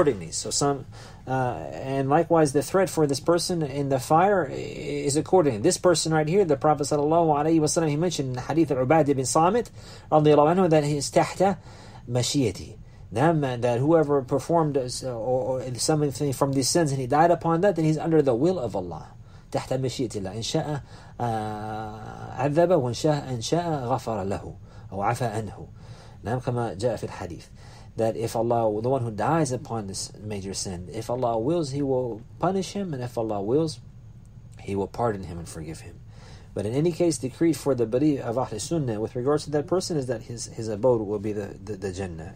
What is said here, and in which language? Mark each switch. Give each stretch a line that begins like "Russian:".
English: So some and likewise, the threat for this person in the fire is accordingly. This person right here, the Prophet sallallahu alayhi wasallam, he mentioned in the hadith of Ubad ibn Samit radiyallahu anhu, that he is tahta mashiyati. That whoever performed something from these sins and he died upon that, then he's under the will of Allah.
Arabic: تحت مشيئة الله إن شاء عذب وإن شاء إن شاء غفر له أو عفى عنه. نعم كما جاء في الحديث.
English: That if Allah, the one who dies upon this major sin, if Allah wills, He will punish him, and if Allah wills, He will pardon him and forgive him. But in any case, the creed for the belief of Ahl Sunnah with regards to that person is that his abode will be the Jannah.